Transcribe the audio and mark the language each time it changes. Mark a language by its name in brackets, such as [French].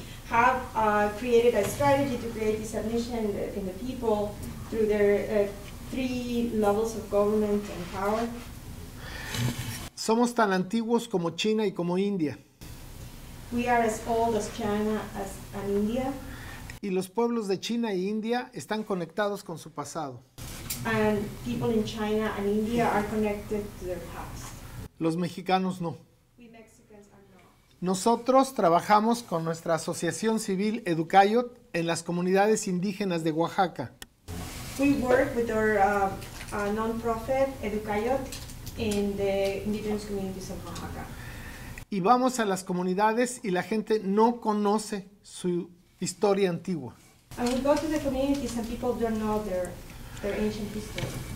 [English] Have created a strategy to create this amnesia in the people through their three levels of government and power. [Spanish] Somos tan antiguos como China y como India. [English] We are as old as China as and India. [Spanish] Y los pueblos de China e India están conectados con su pasado. [English] And people in China and India are connected to their past. [Spanish] Los mexicanos no. [English] We Mexicans are not. [Spanish] Nosotros trabajamos con nuestra asociación civil Educayot en las comunidades indígenas de Oaxaca. [English] We work with our non-profit Educayot in the indigenous communities of Oaxaca. [Spanish] Y vamos a las comunidades y la gente no conoce su historia antigua. [English] And we go to the communities and people don't know their ancient history.